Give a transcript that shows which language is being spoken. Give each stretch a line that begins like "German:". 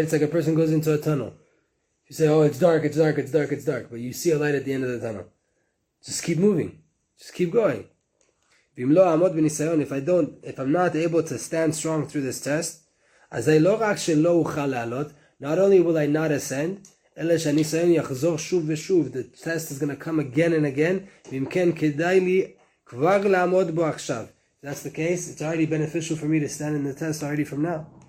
English: It's like a person goes into a tunnel. You say, oh, it's dark, it's dark, it's dark, it's dark, but you see a light at the end of the tunnel. Just keep moving. Just keep going.
Hebrew: ואם לא עמוד בניסיון,
English: if I'm not able to stand strong through this test,
Hebrew: אז אני לא רק שלא אוכל לעלות,
English: not only will I not ascend,
Hebrew: אלא שהניסיון יחזור שוב ושוב.
English: The test is going to come again and again.
Hebrew: ואם כן, כדאי לי כבר לעמוד בו עכשיו.
English: That's the case. It's already beneficial for me to stand in the test already from now.